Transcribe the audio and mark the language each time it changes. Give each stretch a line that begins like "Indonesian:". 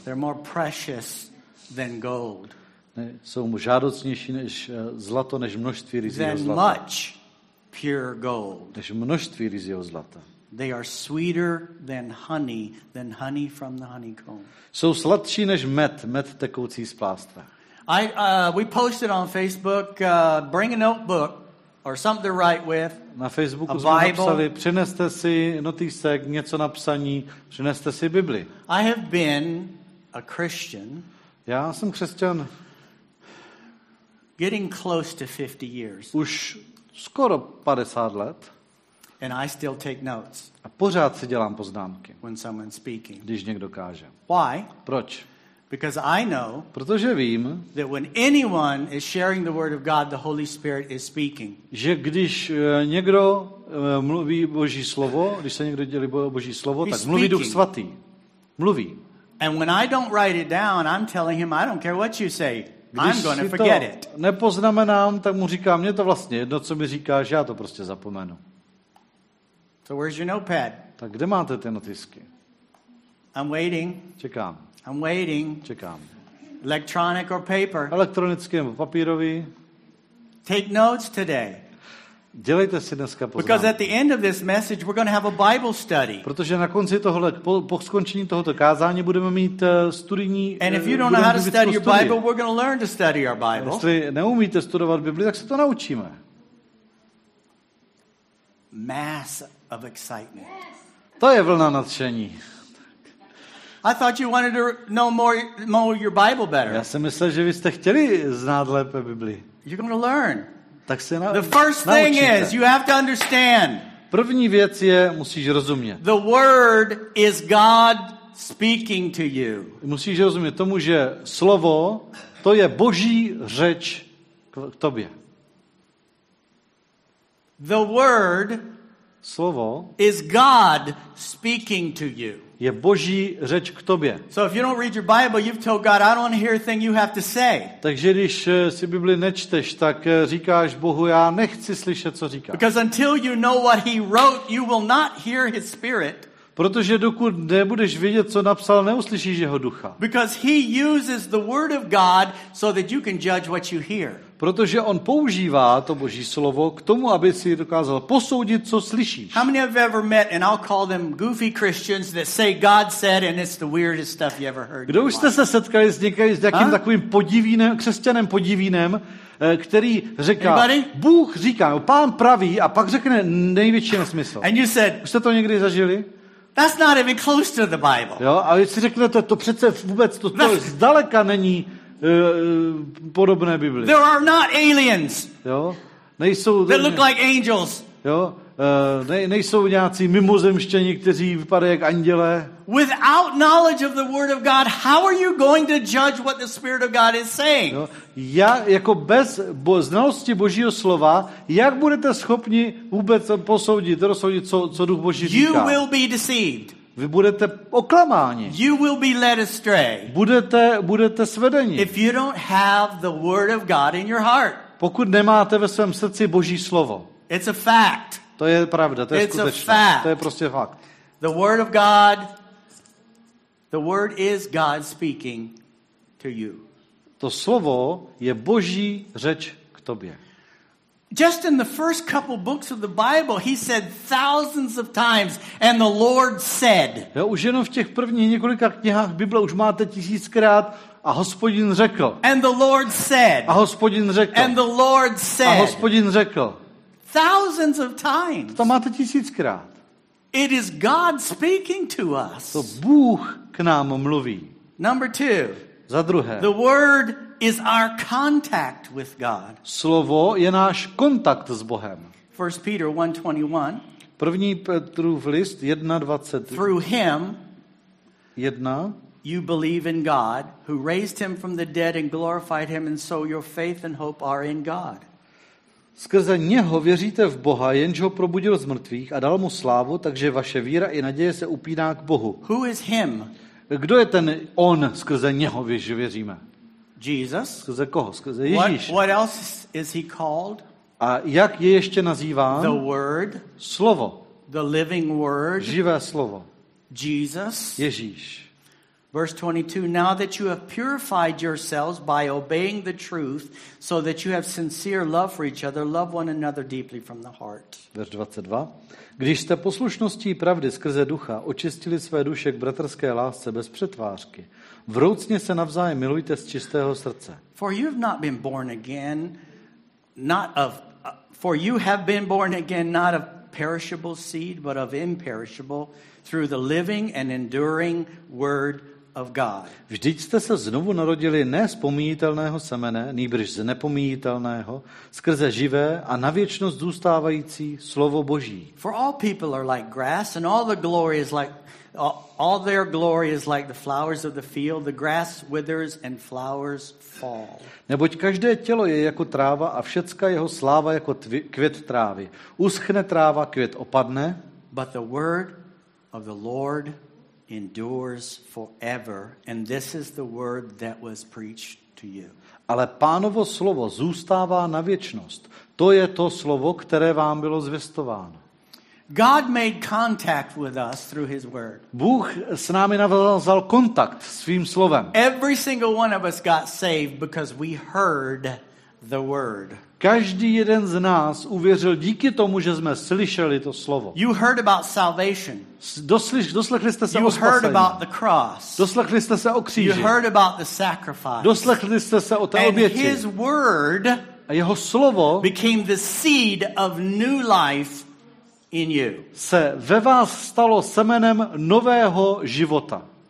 English: They're more precious than gold.
Czech: Jsou žádoucnější než zlato, než množství ryzího zlata.
English: Than much pure gold.
Czech: Než množství ryzího zlata.
English: They are sweeter than honey from the honeycomb.
Czech: Jsou sladší než med tekoucí z plástva.
English: We posted on Facebook, bring a notebook or something to write with.
Czech: Na Facebooku jsme napsali, přineste si notýsek, něco na psaní, přineste si Bibli.
English: I have been a Christian.
Czech: Já jsem křesťan.
English: Getting close to 50 years.
Czech: Už skoro 50 let.
English: And I still take notes.
Czech: A pořád si dělám poznámky.
English: When someone's speaking.
Czech: Když někdo káže.
English: Why?
Czech: Proč?
English: Because I know.
Czech: Protože vím.
English: That when anyone is sharing the word of God, the Holy Spirit is speaking.
Czech: Že když někdo mluví Boží slovo, když se někdo dělí Boží slovo,
English: He's
Czech: tak mluví
English: speaking.
Czech: Duch svatý. Mluví.
English: And when I don't write it down, I'm telling him, I don't care what you say. I'm going to forget it.
Czech: Když si to nepoznamenám, tak mu říkám, mně to vlastně jedno, co mi říkáš, já to prostě zapomenu.
English: So where's your notepad?
Czech: Tak kde máte ty notisky?
English: I'm waiting.
Czech: Čekám.
English: I'm waiting.
Czech: Čekám.
English: Electronic or paper?
Czech: Elektronický nebo papírový?
English: Take notes today.
Czech: Dělejte si dneska poznámky.
English: Because at the end of this message we're going to have a Bible study.
Czech: Protože na konci tohle po skončení tohoto kázání budeme mít studijní.
English: And if you don't know how to study your Bible, we're going to learn to study our Bible.
Czech: Jestli neumíte studovat Bibli, tak se to naučíme.
English: Mass of excitement.
Czech: To je vlna nadšení.
English: I thought you wanted to know more your Bible better.
Czech: Já jsem myslel, že vy jste chtěli znát lépe Bibli.
English: You're going to learn.
Czech: Tak se
English: the first thing is you have to understand.
Czech: První věc je, musíš rozumět.
English: The word is God speaking to you.
Czech: Musíš rozumět tomu, že slovo to je Boží řeč k tobě.
English: The word
Czech: slovo
English: is God speaking to you.
Czech: Je Boží řeč k tobě.
English: So if you don't read your Bible, you've told God, I don't want to hear a thing you have to say.
Czech: Takže když si Bibli nečteš, tak říkáš Bohu, já nechci slyšet, co říkáš.
English: Because until you know what he wrote, you will not hear his spirit.
Czech: Protože dokud nebudeš vědět, co napsal, neuslyšíš jeho ducha.
English: Because he uses the word of God so that you can judge what you hear.
Czech: Protože on používá to Boží slovo k tomu, aby si dokázal posoudit, co slyšíš.
English: How many have ever met, and I'll call them goofy Christians that say God said and it's the weirdest stuff you ever heard.
Czech: Kdo už jste se setkali s někým takovým podivínem, křesťanem podivínem, který říká, Bůh říká, pán praví a pak řekne největší nesmysl.
English: And you said,
Czech: už jste to někdy zažili?
English: That's not even close to the Bible.
Czech: Jo, a vy si řeknete, to přece vůbec to zdaleka není podobné Bibli.
English: There are not aliens.
Czech: Jo, nejsou.
English: They look like angels.
Czech: Jo, nejsou nějací mimozemštění, kteří vypadají jak anděle.
English: Without knowledge of the word of God, how are you going to judge what the spirit of God is saying?
Czech: Jo, já jako bez znalosti Božího slova, jak budete schopni vůbec posoudit, rozsoudit, co Duch Boží říká?
English: You will be deceived.
Czech: Vy budete oklamáni.
English: You will be led astray.
Czech: Budete svedeni.
English: If you don't have the word of God in your heart.
Czech: Pokud nemáte ve svém srdci Boží slovo.
English: It's a fact.
Czech: To je pravda, to je skutečnost. To je prostě fakt.
English: The word of God, the word is God speaking to you.
Czech: To slovo je Boží řeč k tobě.
English: Just in the first couple books of the Bible, he said thousands of times, and the Lord said.
Czech: Jo, už jenom v těch prvních několika knihách Bible už máte tisíckrát a Hospodin řekl.
English: And the Lord said.
Czech: A Hospodin řekl.
English: And the Lord said.
Czech: A Hospodin řekl.
English: Thousands of times.
Czech: To máte tisíckrát.
English: It is God speaking to us.
Czech: To Bůh k nám mluví.
English: Number two.
Czech: Za druhé.
English: The word is our contact with God.
Czech: Slovo je náš kontakt s Bohem.
English: 1 Peter 1:21.
Czech: První Petrův list 1:23.
English: Through him,
Czech: jedna,
English: you believe in God, who raised him from the dead and glorified him, and so your faith and hope are in God.
Czech: Skrze něho věříte v Boha, jenž ho probudil z mrtvých a dal mu slávu, takže vaše víra i naděje se upíná k Bohu.
English: Who is him?
Czech: Kdo je ten on, skrze něho věříme?
English: Jesus.
Czech: Skrze koho? Skrze Ježíš.
English: What else is he called?
Czech: A jak je ještě nazýván?
English: The word.
Czech: Slovo.
English: The living word.
Czech: Živé slovo.
English: Jesus.
Czech: Ježíš.
English: Verse 22, now that you have purified yourselves by obeying the truth, so that you have sincere love for each other, love one another deeply from the heart.
Czech: Verse 22, když jste poslušností pravdy skrze ducha očistili své duše k bratrské lásce bez přetvářky, vroucně se navzájem milujte z čistého srdce.
English: For you have not been born again, not of perishable seed, but of imperishable, through the living and enduring word of God.
Czech: Vždyť jste se znovu narodili ne z pomíjitelného semene, nýbrž z nepomíjitelného, skrze živé a na věčnost zůstávající slovo Boží.
English: For all people are like grass, and all the glory is like all their glory is like the flowers of the field. The grass withers and flowers fall.
Czech: Neboť každé tělo je jako tráva a všecka jeho sláva jako květ trávy. Uschne tráva, květ opadne.
English: But the word of the Lord endures forever, and this is the word that was preached to you.
Czech: Ale Pánovo slovo zůstává na věčnost. To je to slovo, které vám bylo zvěstováno.
English: God made contact with us through his word.
Czech: Bůh s námi navázal kontakt svým slovem.
English: Every single one of us got saved because we heard the word.
Czech: Každý jeden z nás uvěřil díky tomu, že jsme slyšeli to slovo.
English: You heard about salvation.
Czech: Doslechli jste se o spasení.
English: Heard about the cross.
Czech: Doslechli jste se o kříži.
English: You heard about the sacrifice.
Czech: Doslechli jste se o té oběti.
English: And his word
Czech: a jeho slovo
English: became the seed of new life in you.
Czech: Se ve vás stalo semenem nového života.